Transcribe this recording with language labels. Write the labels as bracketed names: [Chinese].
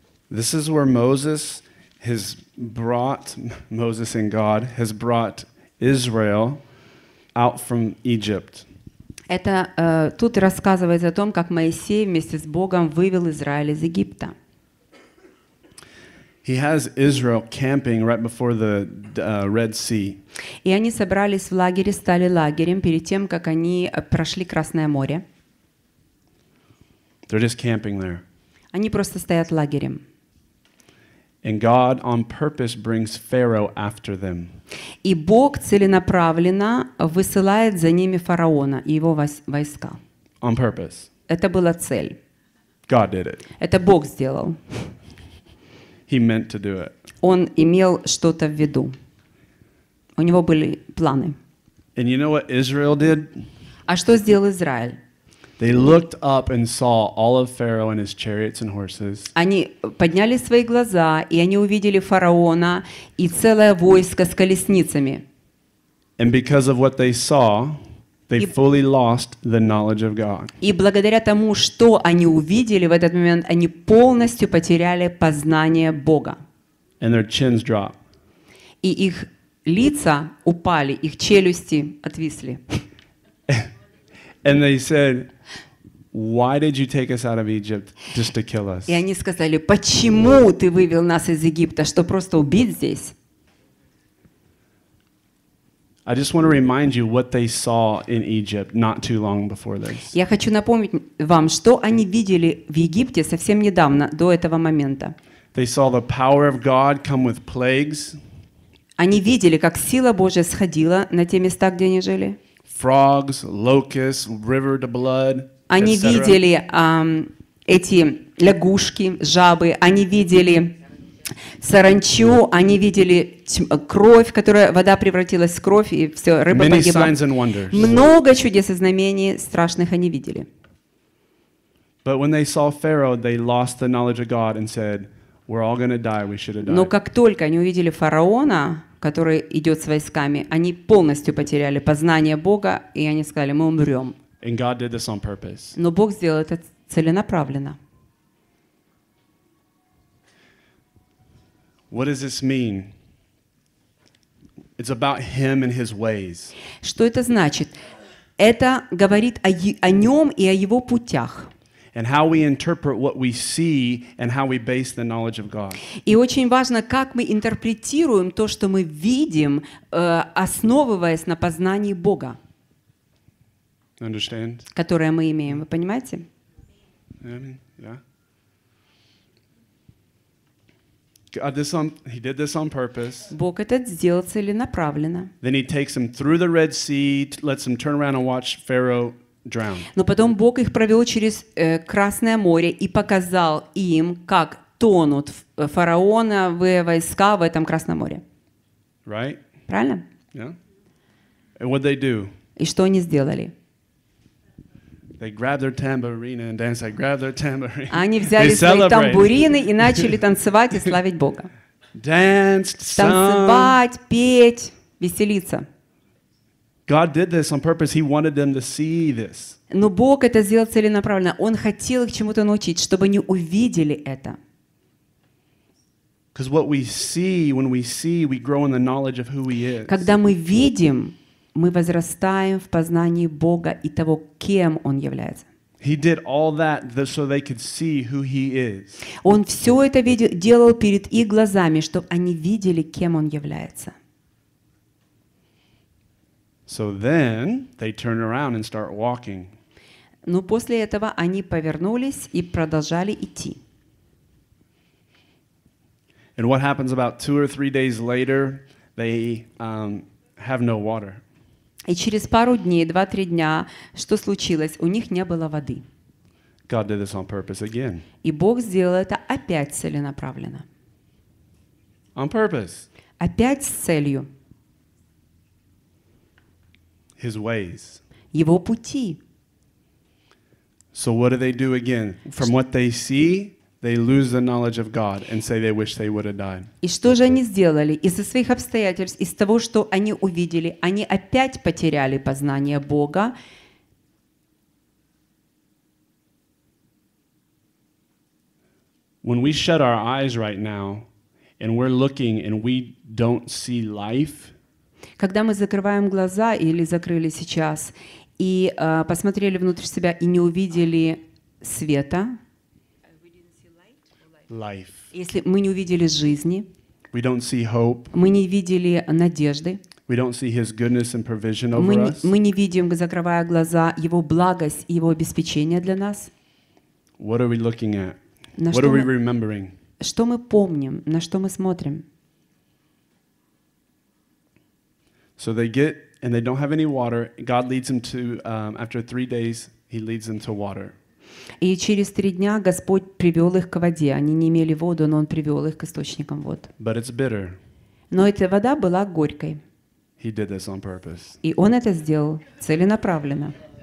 [English] This is where Moses has brought Moses and God has brought Israel out from Egypt. [Russian] Это тут рассказывается о том, как Моисей вместе с Богом вывел Израиль из Египта. [English] He has Israel camping right before the Red Sea. [Russian] И они собрались в лагере, стали лагерем перед тем, как они прошли Красное море. [English] They're just camping there. [Russian] Они просто стоят лагерем. [English] And God on purpose brings Pharaoh after them. [Russian] И Бог целенаправленно высылает за ними фараона и его войска. [English] On purpose. [Russian] Это была цель. [English] God did it. [Russian] Это Бог сделал. [English] He meant to do it. [Russian] Он имел что-то в виду. У него были планы. [English] And you know what Israel did? [Russian] А что сделал Израиль? [English] They looked up and saw all of Pharaoh and his chariots and horses. [Russian] Они подняли свои глаза, и они увидели фараона и целое войско с колесницами. [English] And because of what they saw, they fully lost the knowledge of God. [Russian] И благодаря тому, что они увидели в этот момент, они полностью потеряли познание Бога. [English] And their chins dropped. [Russian] И их лица упали, их челюсти отвисли. [English] And they said, "Why did you take us out of Egypt just to kill us?" [Russian] И они сказали: "Почему ты вывел нас из Египта, чтобы просто убить здесь?" [English] I just want to remind you what they saw in Egypt not too long before this. [Russian] Я хочу напомнить вам, что они видели в Египте совсем недавно, до этого момента. [English] They saw the power of God come with plagues. [Russian] Они видели, как сила Божья сходила на те места, где они жили. [English] Frogs, locusts, river of blood. [Russian] Они видели эти лягушки, жабы, они видели саранчу, они видели кровь, которая вода превратилась в кровь, и все, рыба [English] Many [Russian] погибла. [English] Signs and wonders. [Russian] Много чудес и знамений страшных они видели. [English] But when they saw Pharaoh, they lost the knowledge of God and said, "We're all going to die. We should have died." [Russian] Но как только они увидели фараона, который идет с войсками, они полностью потеряли познание Бога, и они сказали: "Мы умрем." [English] And God did this on purpose. [Russian] Но Бог сделал это целенаправленно. [English] What does this mean? It's about him and his ways. [Russian] Что это значит? Это говорит о нем и о его путях. [English] And how we interpret what we see and how we base the knowledge of God. [Russian] И очень важно, как мы интерпретируем то, что мы видим, основываясь на познании Бога. [English] Understand? [Russian] Которое мы имеем, вы понимаете? [English] Yeah. God did this on, he did this on purpose. [Russian] Бог это сделал целенаправленно. [English] Then he takes them through the Red Sea, lets them turn around and watch Pharaoh drown. [Russian] Но потом Бог их провел через Красное море и показал им, как тонут фараоновые войска в этом Красном море. [English] Right? [Russian] Правильно? [English] Yeah. And what they do? [Russian] И что они сделали? [English] They grab their tambourine and dance. They grab their tambourine. [Russian] Они взяли свои тамбурины и начали танцевать и славить Бога. [English] Danced, [Russian] танцевать, петь, веселиться. [English] God did this on purpose. He wanted them to see this. [Russian] Но Бог это сделал целенаправленно. Он хотел их чему-то научить, чтобы они увидели это. [English] Because what we see, when we see, we grow in the knowledge of who He is. [Russian] Когда мы видим, мы возрастаем в познании Бога и того, кем Он является. [English] He did all that so they could see who He is. [Russian] Он все это делал перед их глазами, чтобы они видели, кем Он является. [English] So then they turn around and start walking. [Russian] Но после этого они повернулись и продолжали идти. [English] And what happens about two or three days later, they have no water. [Russian] И через пару дней, 2-3 дня, что случилось? У них не было воды. [English] God did this on purpose again. [Russian] И Бог сделал это опять целенаправленно. [English] On purpose. [Russian] Опять с целью. [English] His ways. [Russian] Его пути. [English] So what do they do again? From what they see, they lose the knowledge of God and say they wish they would have died. [Russian] И что же они сделали? Из-за своих обстоятельств, из того, что они увидели, они опять потеряли познание Бога. [English] When we shut our eyes right now and we're looking and we don't see life. [Russian] Когда мы закрываем глаза или закрыли сейчас и посмотрели внутрь себя и не увидели света. [English] Life. [Russian] Если мы не увидели жизни, [English] we don't see hope. [Russian] Мы не видели надежды, [English] we don't see his goodness and provision over [Russian] мы не видим, закрывая глаза, его благость и его обеспечение для нас. [English] What are we looking at? What are we remembering? [Russian] Что мы помним, на что мы смотрим? [English] So they get and they don't have any water. God leads them to after three days, he leads them to water. [Russian] И через три дня Господь привел их к воде. Они не имели воду, но Он привел их к источникам вод. [English] But it's bitter. [Russian] Но эта вода была горькой. [English] He did this on purpose. [Russian] И Он это сделал целенаправленно.